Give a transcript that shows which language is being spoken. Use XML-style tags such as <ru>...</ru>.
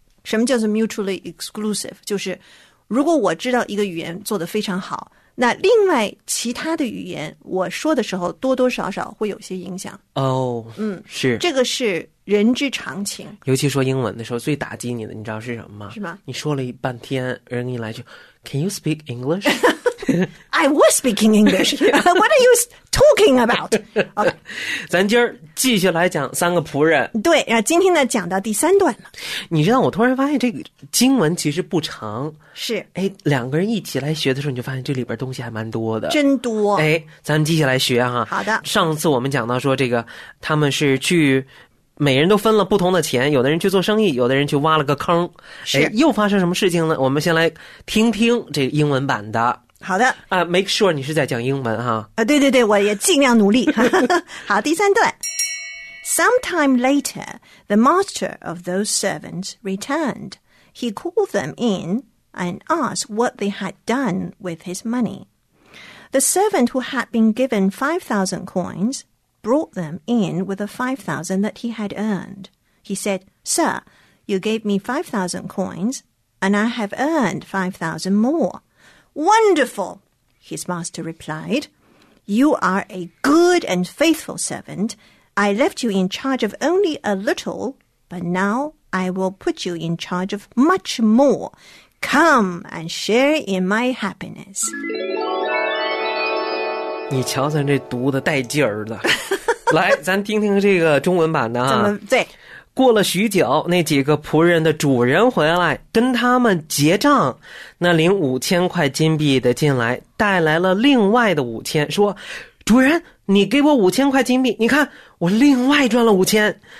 <zh>什么叫做 mutually exclusive？ 就是如果我知道一个语言做得非常好，那另外其他的语言我说的时候多多少少会有些影响。哦，是，这个是人之常情。尤其说英文的时候最打击你的你知道是什么吗？是吗？你说了一半天，人一来就</zh> <en>Can you speak English? I was speaking English. What are you talking about? OK，</en> <zh>咱今儿继续来讲三个仆人。对，然后今天呢讲到第三段了。你知道我突然发现这个经文其实不长。是。哎，两个人一起来学的时候你就发现这里边东西还蛮多的。真多。哎，咱们继续来学哈。好的。上次我们讲到说这个他们是去，每人都分了不同的钱，有的人去做生意，有的人去挖了个坑。哎，又发生什么事情呢？我们先来听听这个英文版的。好的。</zh> <en>make sure</en> <zh>你是在讲英文哈。对对对，我也尽量努力。好，第三段。</zh> <en>Sometime later, the master of those servants returned. He called them in and asked what they had done with his money. The servant who had been given 5,000 coins brought them in with the 5,000 that he had earned. He said, Sir, you gave me 5,000 coins and I have earned 5,000 more. Wonderful, his master replied. You are a good and faithful servant. I left you in charge of only a little, but now I will put you in charge of much more. Come and share in my happiness.</en> <zh>你瞧咱这读的带劲儿的。来，咱听听这个中文版的啊。对。过了许久，那几个仆人的主人回来跟他们结账，那领5000块金币的进来带来了另外的5000，说主人你给我5000块金币，你看我另外赚了5000。</zh>